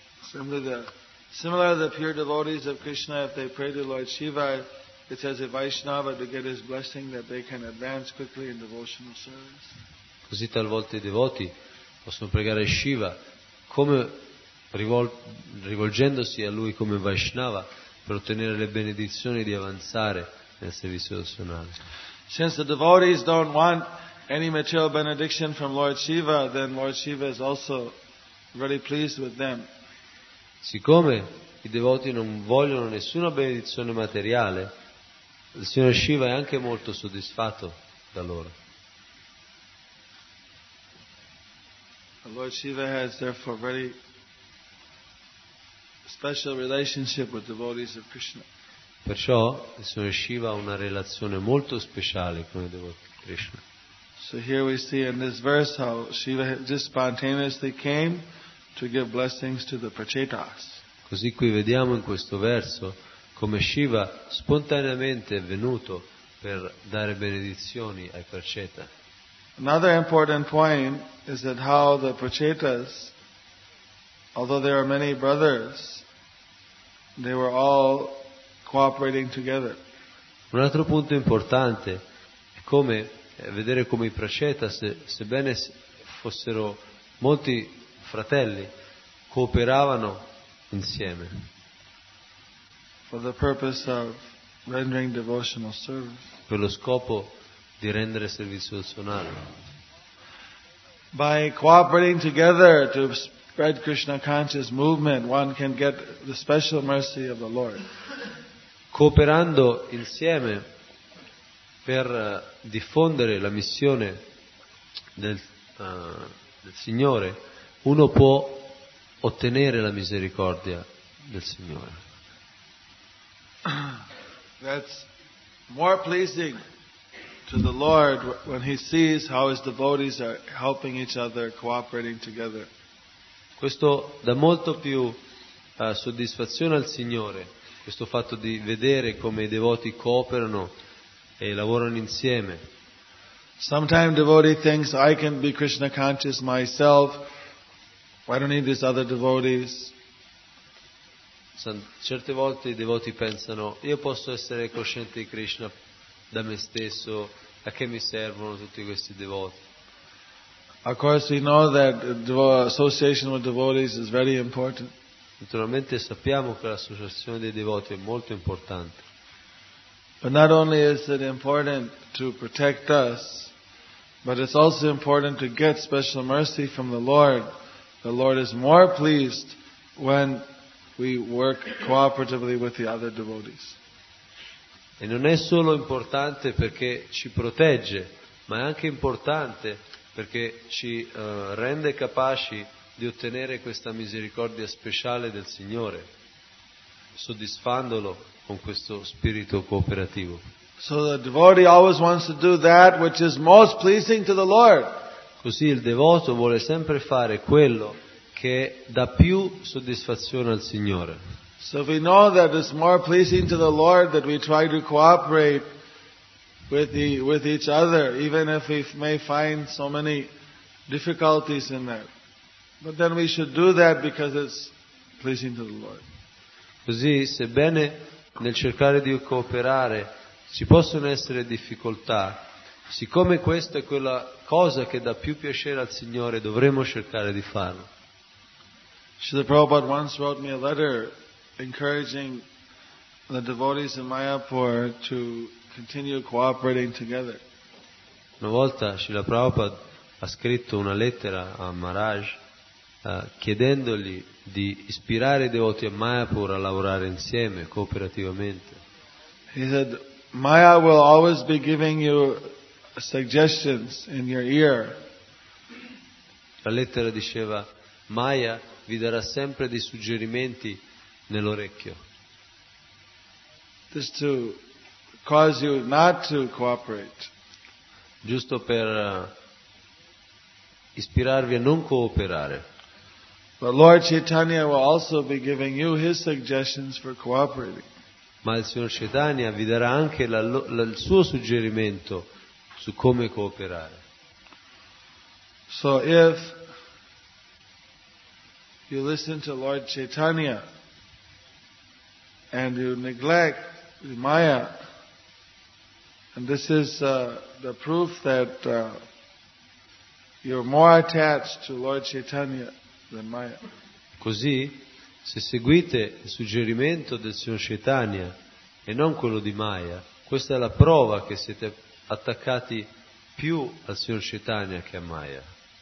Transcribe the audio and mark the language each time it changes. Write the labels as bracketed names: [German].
[English] Similarly, the pure devotees of Krishna, if they pray to Lord Shiva, it's as a Vaishnava to get his blessing that they can advance quickly in devotional service. [Italian] Così talvolta i devoti possono pregare Shiva come rivolgendosi a lui come Vaishnava per ottenere le benedizioni di avanzare nel servizio devozionale. [English] Since the devotees don't want any material benediction from Lord Shiva, then Lord Shiva is also very pleased with them. [Italian] Siccome i devoti non vogliono nessuna benedizione materiale, il Signore Shiva è anche molto soddisfatto da loro. [English] Lord Shiva has therefore very special relationship with devotees of Krishna. [Italian] Perciò il Signore Shiva ha una relazione molto speciale con i devoti di Krishna. [English] So here we see in this verse how Shiva just spontaneously came to give blessings to the Prachetas. [Italian] Così qui vediamo in questo verso come Shiva spontaneamente è venuto per dare benedizioni ai Pracheta. [English] Another important point is that how the Prachetas, although there are many brothers, they were all cooperating together. [Italian] Un altro punto importante è come vedere come i Prachetas, sebbene fossero molti fratelli, cooperavano insieme. [English] For the purpose of rendering devotional service. [Italian] Per lo scopo di rendere servizio devozionale. [English] By cooperating together to spread Krishna conscious movement, one can get the special mercy of the Lord. [Italian] Cooperando insieme per diffondere la missione del Signore, uno può ottenere la misericordia del Signore. [English] That's more pleasing to the Lord when he sees how his devotees are helping each other, cooperating together. [Italian] Questo dà molto più soddisfazione al Signore, questo fatto di vedere come i devoti cooperano e lavorano insieme. [English] Sometimes devotee thinks I can be Krishna conscious myself, I don't need these other devotees. [Italian] Certe volte i devoti pensano io posso essere cosciente di Krishna da me stesso, a che mi servono tutti questi devoti. [English] Of course we know that association with devotees is very important. [Italian] Naturalmente sappiamo che l'associazione dei devoti è molto importante. [English] But not only is it important to protect us, but it's also important to get special mercy from the Lord. The Lord is more pleased when we work cooperatively with the other devotees. [Italian] E non è solo importante perché ci protegge, ma è anche importante perché ci rende capaci di ottenere questa misericordia speciale del Signore, soddisfandolo con questo spirito cooperativo. [English] So the devotee always wants to do that which is most pleasing to the Lord. [Italian] Così il devoto vuole sempre fare quello che dà più soddisfazione al Signore. [English] So we know that it's more pleasing to the Lord that we try to cooperate with each other, even if we may find so many difficulties in that. But then we should do that because it's pleasing to the Lord. [Italian] Così, sebbene nel cercare di cooperare ci possono essere difficoltà, siccome questa è quella cosa che dà più piacere al Signore, dovremo cercare di farlo. [English] Srila Prabhupada once wrote me a letter encouraging the devotees in Mayapur to continue cooperating together. [Italian] Una volta Srila Prabhupada ha scritto una lettera a Maharaj chiedendogli di ispirare i devoti a Mayapur a lavorare insieme, cooperativamente. [English] He said, Maya will always be giving you suggestions in your ear. [Italian] La lettera diceva, Maya vi darà sempre dei suggerimenti nell'orecchio. [English] Just to cause you not to cooperate. [Italian] Giusto per ispirarvi a non cooperare. [English] But Lord Chaitanya will also be giving you his suggestions for cooperating. [Italian] Ma il Signor Chaitanya vi darà anche il suo suggerimento su come cooperare. [English] So if you listen to Lord Chaitanya and you neglect Maya, and this is the proof that you're more attached to Lord Chaitanya than Maya. [Italian] Così, se seguite il suggerimento del Signor Chaitanya e non quello di Maya, questa è la prova che siete attaccati più al Signor Chaitanya che a Maya.